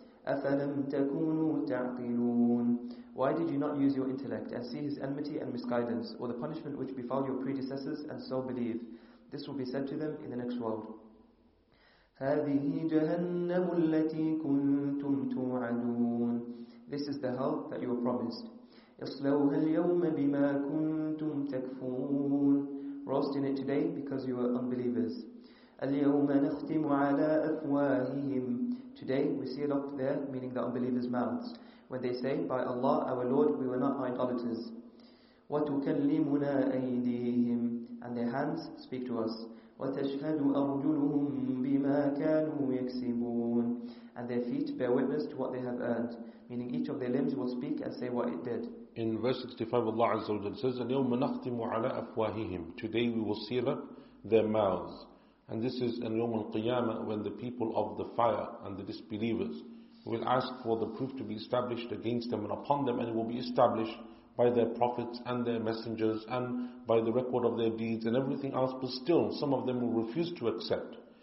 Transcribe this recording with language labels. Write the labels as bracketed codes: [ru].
[ar] أَفَلَمْ تَكُونُوا تَعْقِلُونَ [en] Why did you not use your intellect and see his enmity and misguidance, or the punishment which befell your predecessors and so believe? This will be said to them in the next world. [ar] هَذِهِ جَهَنَّمُ الَّتِي كُنْتُمْ تُوْعَدُونَ [en] This is the hell that you were promised. [ar] اصلوها اليوم بما كنتم تكفون [en] Roast in it today because you are unbelievers. [ar] اليوم نختم على أفواههم [en] Today we seal up their, meaning the unbelievers' mouths. When they say, by Allah, our Lord, we were not idolaters. [ar] وتكلمنا أيديهم [en] And their hands speak to us. [ar] وتشهد أرجلهم بما كانوا يكسبون [en] And their feet bear witness to what they have earned. Meaning each of their limbs will speak and say what it did. In verse 65, Allah Azza wa Jalla says, [ar] اليوم نختم على أفواههم [en] Today we will seal up their mouths. And this is in يوم القيامة when the people of the fire and the disbelievers will ask for the proof to be established against them and upon them, and it will be established by their prophets and their messengers and by the record of their deeds and everything else, but still some of them will refuse to accept.